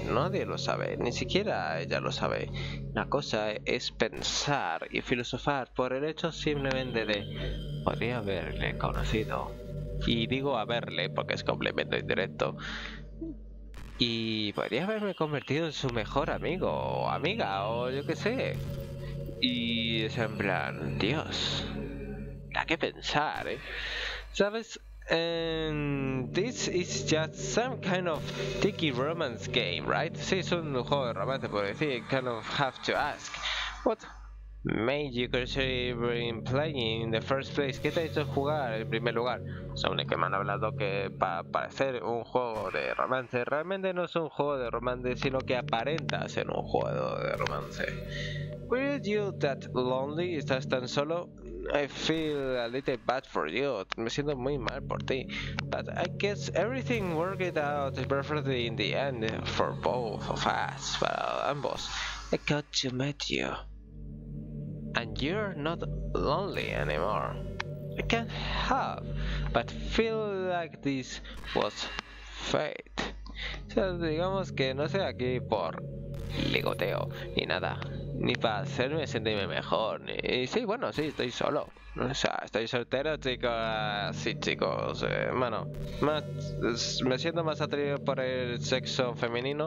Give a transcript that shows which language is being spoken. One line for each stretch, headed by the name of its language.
Spanish: Nadie lo sabe, ni siquiera ella lo sabe. La cosa es pensar y filosofar por el hecho simplemente de podría haberle conocido. Y digo a verle porque es complemento indirecto. Y podría haberme convertido en su mejor amigo o amiga o yo qué sé. Y es en plan, Dios, da que pensar, ¿eh? ¿Sabes?
English: This is just some kind of tricky romance game, right?
Spanish: Sí, es un juego de romance, por decir.
English: Kind of have to ask. What made you consider playing in the first place?
Spanish: ¿Qué te ha hecho jugar en primer lugar? Sobre que me han hablado que para ser un juego de romance. Realmente no es un juego de romance, sino que aparenta ser un juego de romance.
English: Were you that lonely?
Spanish: ¿Estás tan solo?
English: I feel a little bad for you.
Spanish: Me siento muy mal por ti.
English: But I guess everything worked out perfectly in the end for both of us.
Spanish: Para ambos.
English: I got to meet you. And you're not lonely anymore. I can't help but feel like this was fate.
Spanish: O sea, digamos que no estoy aquí por ligoteo, ni nada. Ni para hacerme sentirme mejor, ni... Y sí, bueno, sí, estoy solo. O sea, estoy soltero, chicos. Sí, chicos. Bueno, me siento más atraído por el sexo femenino.